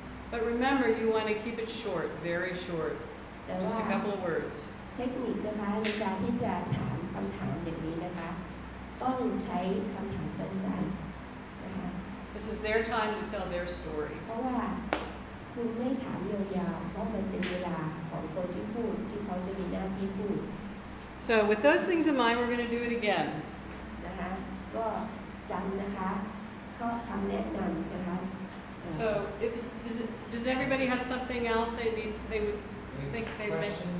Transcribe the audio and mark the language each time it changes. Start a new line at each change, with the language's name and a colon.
English: But remember, you want to keep it short, very short. just a couple of words.
Thai: เทคนิคนะคะในการที่จะถามคำถามอย่างนี้นะคะต้องใช้คำถามสั้นๆนะคะ
English: This is their time to tell their story.
Thai: เพราะว่าคุณไม่ถามยาวๆเพราะมันเป็นเวลาของคนที่พูดที่เขาจะมีหน้าที่พูด
English: So with those things in mind, we're going to do it again.
Thai: นะคะก็จำนะคะข้อคำแนะนำนะคะ
English: So, if, does everybody have something else they would any think they would make?